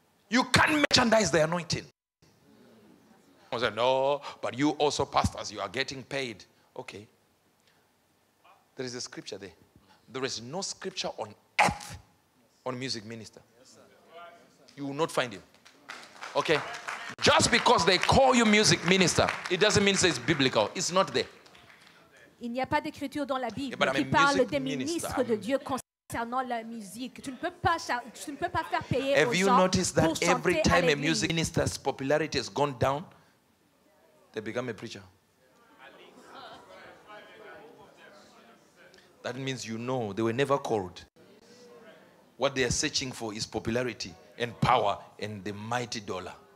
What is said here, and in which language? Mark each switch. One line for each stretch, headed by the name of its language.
English: You can't merchandise the anointing. I said, no, but you also pastors, you are getting paid. Okay. There is a scripture there. There is no scripture on earth on music minister. You will not find it. Okay. Just because they call you music minister, it doesn't mean it's biblical. It's not there.
French: Il n'y a pas d'écriture dans la Bible qui parle des ministres de Dieu concernant la musique. Tu ne peux pas faire payer aux gens pour chanter.
English: Have you noticed that every time a music minister's popularity has gone down, they become a preacher? That means you know they were never called. What they are searching for is popularity and power and the mighty dollar.